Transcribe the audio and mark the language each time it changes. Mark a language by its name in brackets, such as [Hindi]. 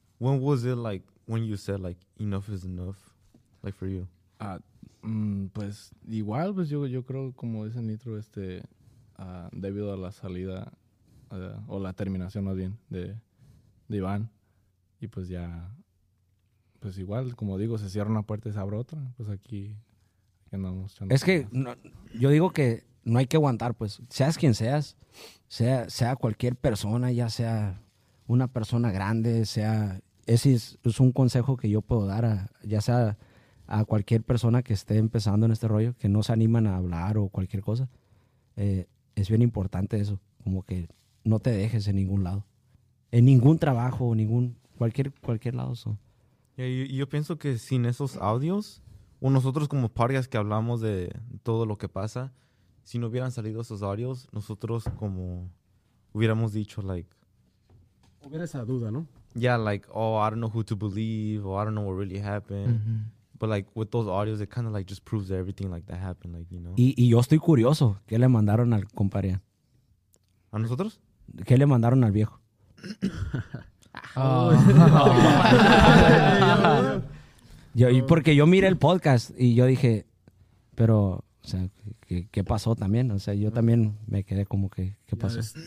[English] When was it like, when you said like, enough is enough, like for you? [Spanish] Pues igual, pues yo creo, como dice Nitro, debido a la salida o la terminación más bien de Iván, y pues ya, pues igual, como digo, se cierra una puerta y se abre otra, pues aquí andamos. Es que no, yo digo que no hay que aguantar, pues seas quien seas, sea cualquier persona, ya sea una persona grande, sea, ese es un consejo que yo puedo dar, ya sea a cualquier persona que esté empezando en este rollo, que no se animan a hablar o cualquier cosa, es bien importante eso, como que no te dejes en ningún lado, en ningún trabajo, cualquier lado. [English] So. [Spanish] Yeah, yo pienso que sin esos audios, o nosotros como parias que hablamos de todo lo que pasa, si no hubieran salido esos audios, nosotros como hubiéramos dicho, like, hubiera esa duda, ¿no? [English] Yeah, like, oh, I don't know who to believe, or I don't know what really happened. Mm-hmm. But, like, with those audios, it kind of, like, just proves everything, like, that happened, like, you know? [Spanish] Y yo estoy curioso, ¿qué le mandaron al compadre? ¿A nosotros? ¿Qué le mandaron al viejo? Oh. Yo, porque yo miré el podcast y yo dije, pero, o sea, ¿qué pasó también? O sea, yo también me quedé como que, ¿qué pasó?